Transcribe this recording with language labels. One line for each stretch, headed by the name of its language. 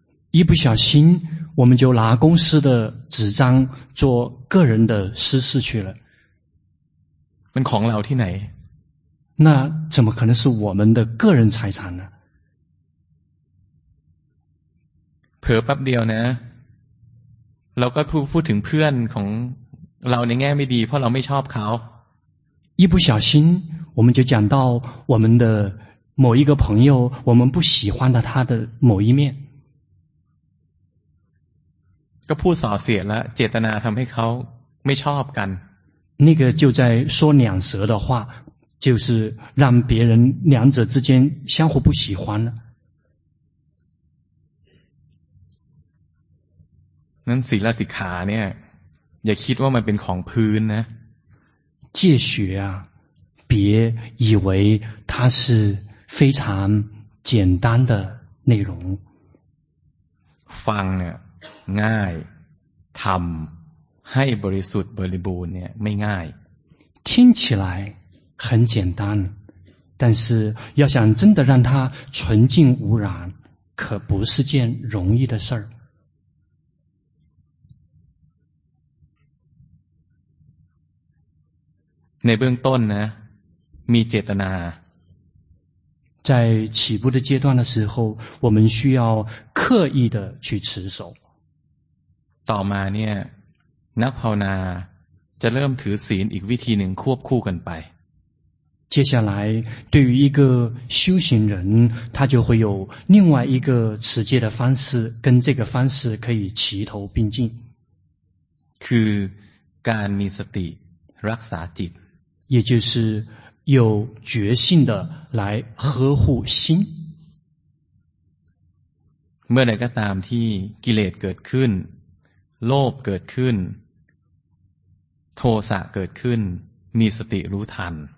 Chinese: 一不小心我们就拿公司的纸张做个人的私事去了
Thai: มันของเราที่ไหน
Chinese: 那怎么可能是我们的个人财产呢
Thai: เผลอแป๊บเดียวนะเราก็พูดถึงเพื่อนของเราในแง่ไม่ดีเพราะเราไม่ชอบเขา
Chinese: 一不小心我们就讲到我们的某一个朋友我们不喜欢的他的某一面
Thai: ก็พูดส่อเสียดละเจตนาทำให้เขาไม่ชอบกัน
Chinese: 那个就在说两舌的话就是让别人两者之间相互不喜欢
Thai: นั้นศีลสิกขาเนี่ยอย่าคิดว่ามันเป็นของพื้นนะ
Chinese: 戒学啊别以为它是非常简单的内容
Thai: ฟังเนี่ยง่ายทำให้บริสุทธิ์บริบูรณ์เนี่ยไม่ง่าย
Chinese: 听起来很简单但是要想真的让它纯净无染可不是件容易的事儿
Thai: ในเบื้องต้นนะมีเจตนา
Chinese: 在起步的阶段的时候我们需要刻意的去持守
Thai: ต่อมาเนี่ยนักภาวนาจะเริ่มถือศีลอีกวิธีหนึ่งควบคู่กันไป
Chinese: 接下来对于一个修行人他就会有另外一个持戒的方式跟这个方式可以齐头并进
Thai: คือการมีสติรักษาจิต
Chinese: 也就是有决心的来呵护心
Thai: เมื่อใดก็ตามที่กิเลสเกิดขึ้นโลภเกิดขึ้นโทสะเกิดขึ้นมีสติรู้ทัน